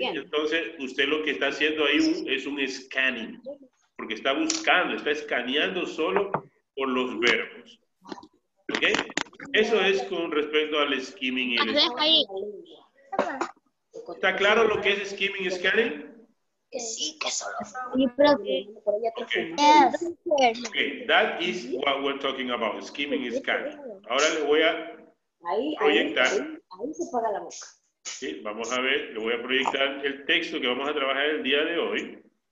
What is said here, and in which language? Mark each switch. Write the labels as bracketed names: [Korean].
[Spanish] Entonces, usted lo que está haciendo ahí es un scanning, porque está buscando, está escaneando solo por los verbos. ¿Ok? Eso es con respecto al skimming y el scanning. ¿Está claro lo que es skimming y scanning? Sí, que solo. [English] Okay. That is what we're talking about, skimming y scanning. [Spanish] Ahora le voy a proyectar. Ahí se paga la boca. Sí, vamos a ver, le voy a proyectar el texto que vamos a trabajar el día de hoy.